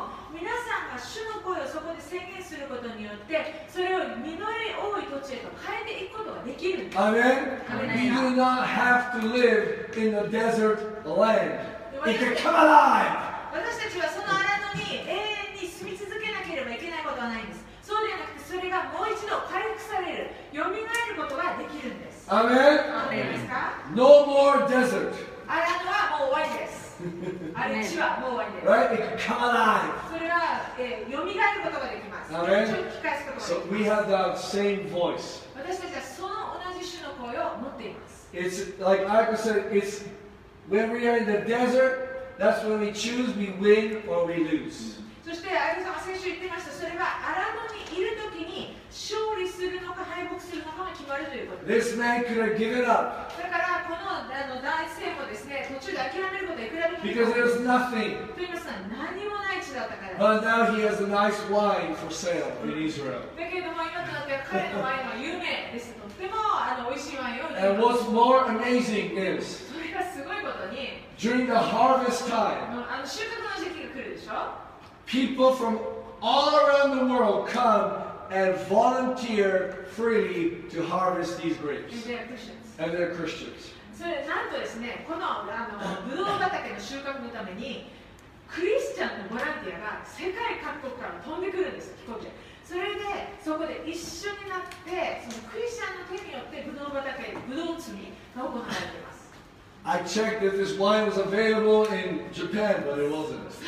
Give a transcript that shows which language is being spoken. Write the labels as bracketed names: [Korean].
[Japanese] 皆さんが主の声をそこで宣言することによってそれを実り多い土地へと変えていくことができるんです。アメン。 [English] We do not have to live in the desert land. It can come alive! [Japanese] 私たちはその荒野に永遠に住み続けなければいけないことはないんです。そうではなくてそれがもう一度回復される、蘇ることができるんです。アメン。アメンですか? [English] No more desert. [Japanese] 荒野はもう終わりです。あれ地はもう終わりです。 [English] Right? It can come alive. [Japanese] それは、蘇ることができます。アメン。吹き返すことができます。 [English] So we have the same voice. [Japanese] 私たちはその同じ種の声を持っています。 [English] It's like I was saying, it's when we are in the desert, that's when we choose, we win or we lose. [Japanese] そして、アイコさんが先週言ってました。それは、アラノにいるときに勝利するのか敗北するのかが決まるということです。 [English] This man could have given up. [Japanese] だから、この男性もですね、途中で諦めることはいくらでも。 [English] Because there's nothing. [Japanese] と言いますと、何もない地だったから。 [English] But now he has a nice wine for sale in Israel. [Japanese] だけども、今となっては彼のワインは有名です。とっても美味しいワインを。 [English] And what's more amazing is, [Japanese] それがすごいことに、 [English] during the harvest time, [Japanese] 収穫の時期が来るでしょ。 [English] People from all around the world come and volunteer freely to harvest these grapes. And they're Christians. And they're Christians. [Japanese] So, なんとですね、このブドウ畑の収穫のためにクリスチャンのボランティアが世界各国から飛んでくるんです、飛行機。それでそこで一緒になってそのクリスチャンの手によってブドウ畑、ブドウ摘みが行われています。 [English] I checked if this wine was available in Japan, but it wasn't.